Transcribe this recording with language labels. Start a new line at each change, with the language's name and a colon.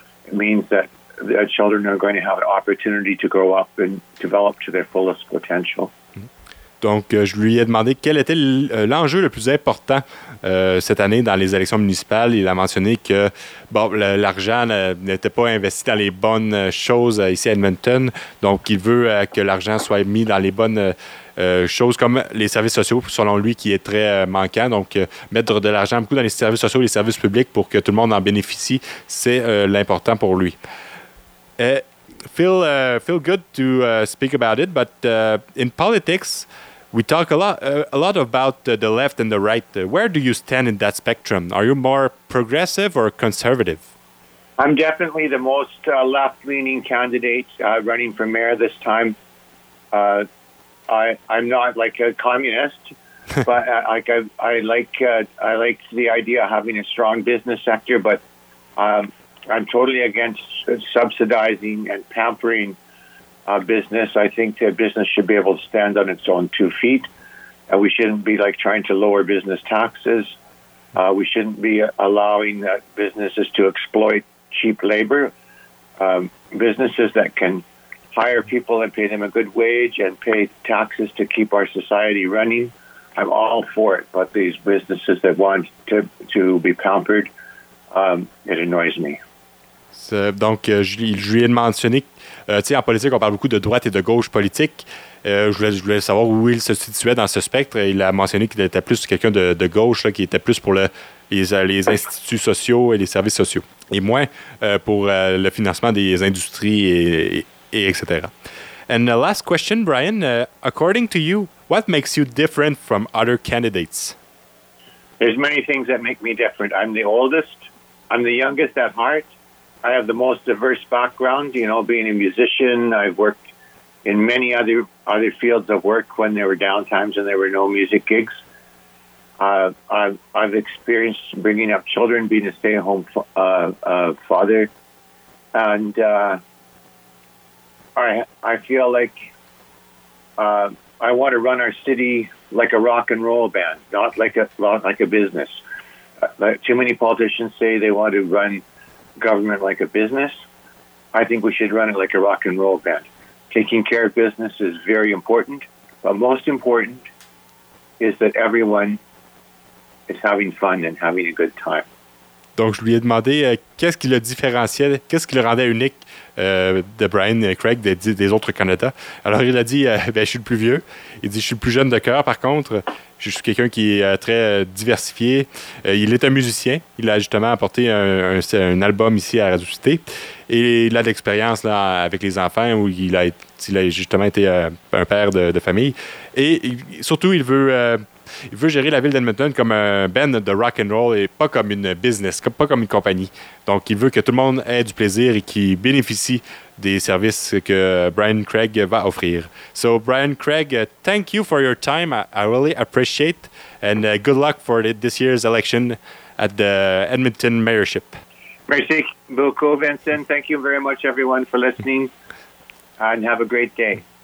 English: It means that the children are going to have an opportunity to grow up and develop to their fullest potential.
French: Donc, je lui ai demandé quel était l'enjeu le plus important cette année dans les élections municipales. Il a mentionné que bon, l'argent n'était pas investi dans les bonnes choses ici à Edmonton. Donc, il veut que l'argent soit mis dans les bonnes choses comme les services sociaux, selon lui, qui est très manquant. Donc, mettre de l'argent beaucoup dans les services sociaux et les services publics pour que tout le monde en bénéficie, c'est l'important pour lui.
English: Feel good to speak about it, but in politics, we talk a lot about the left and the right. Where do you stand in that spectrum? Are you more progressive or conservative? I'm definitely the most left-leaning candidate running for mayor this time. I'm not like a communist, but I like the idea of having a strong business sector, but I'm totally against subsidizing and pampering business. I think that business should be able to stand on its own two feet, and we shouldn't be like trying to lower business taxes. We shouldn't be allowing businesses to exploit cheap labor. Businesses that can hire people and pay them a good wage and pay taxes to keep our society running, I'm all for it. But these businesses that want to be pampered, it annoys me.
French: Donc, je lui ai mentionné, tu sais, en politique, on parle beaucoup de droite et de gauche politique. Je voulais savoir où il se situait dans ce spectre. Il a mentionné qu'il était plus quelqu'un de gauche, là, qui était plus pour les instituts sociaux et les services sociaux, et moins pour le financement des industries et etc.
English: And the last question, Brian, according to you, what makes you different from other candidates? There's many things that make me different. I'm the oldest. I'm the youngest at heart. I have the most diverse background, you know, being a musician. I've worked in many other fields of work when there were downtimes and there were no music gigs. I've experienced bringing up children, being a stay-at-home father. And I feel like I want to run our city like a rock and roll band, not like a business. Too many politicians say they want to run government like a business. I think we should run it like a rock and roll band. Taking care of business is very important, but most important is that everyone is having fun and having a good time.
French: Donc, je lui ai demandé qu'est-ce qui le différenciait, qu'est-ce qui le rendait unique de Brian Craig des autres candidats. Alors, il a dit ben, je suis le plus vieux. Il dit je suis le plus jeune de cœur, par contre. Je suis quelqu'un qui est très diversifié. Il est un musicien. Il a justement apporté un album ici à Radio-Cité. Et il a de l'expérience là, avec les enfants où il a justement été un père de famille. Et surtout, il veut gérer la ville d'Edmonton comme un band de rock and roll et pas comme une business, pas comme une compagnie. Donc, il veut que tout le monde ait du plaisir et qu'il bénéficie des services que Brian Craig va offrir.
English: So, Brian Craig, thank you for your time. I really appreciate and good luck for this year's election at the Edmonton mayorship.
French: Merci beaucoup, Vincent.
English: Thank you very much, everyone, for listening. And have a great day.